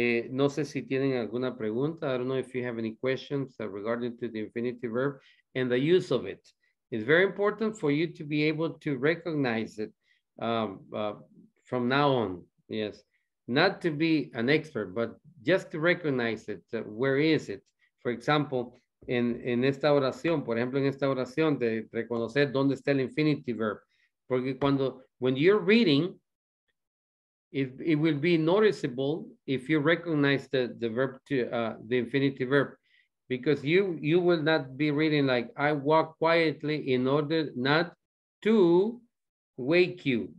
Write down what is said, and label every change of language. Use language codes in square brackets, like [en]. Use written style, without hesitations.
[es] No sé si tienen alguna pregunta. [en] I don't know if you have any questions regarding to the infinitive verb and the use of it. It's very important for you to be able to recognize it from now on. Yes, not to be an expert, but just to recognize it. Where is it? For example, [es] en esta oración, por ejemplo, en esta oración, de reconocer dónde está el infinitive verb. Porque cuando, [en] when you're reading, it will be noticeable if you recognize the verb to the infinitive verb, because you will not be reading like I walk quietly in order not to wake you.